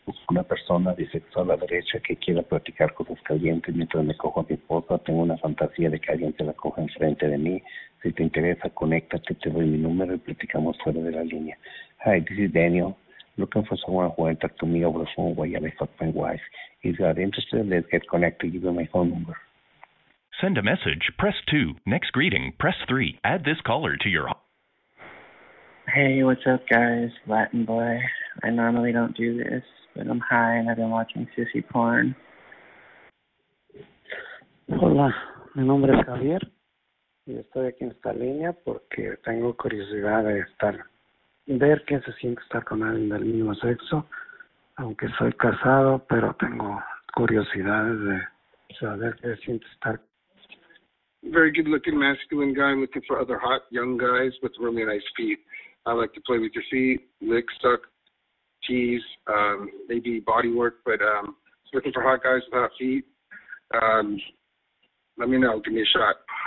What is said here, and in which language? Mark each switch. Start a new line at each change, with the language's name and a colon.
Spanish: Una persona bisexual a la derecha que quiere practicar cosas calientes mientras me cojo a mi esposa. Tengo una fantasía de que alguien se la coja enfrente de mí. Si te interesa, conéctate, te doy mi número y platicamos fuera de la línea.
English: Hi, this is Daniel. Looking for someone who will talk to me over the phone while you're with my wife. If you are interested, let's get connected. Give me my phone number. Send a message. Press 2. Next greeting. Press 3. Add this caller to your... Hey, what's up, guys? Latin boy. I normally don't do this, but I'm high and I've been watching sissy porn.
Spanish: Hola, mi nombre es Javier. Y estoy aquí en esta línea porque tengo curiosidad de estar, ver qué se siente estar con alguien del mismo sexo. Aunque soy casado, pero tengo curiosidad de saber qué se siente estar.
English: Very good looking masculine guy looking for other hot young guys with really nice feet. I like to play with your feet, lick, suck, tease, maybe body work, but just looking for hot guys without feet. Let me know. Give me a shot.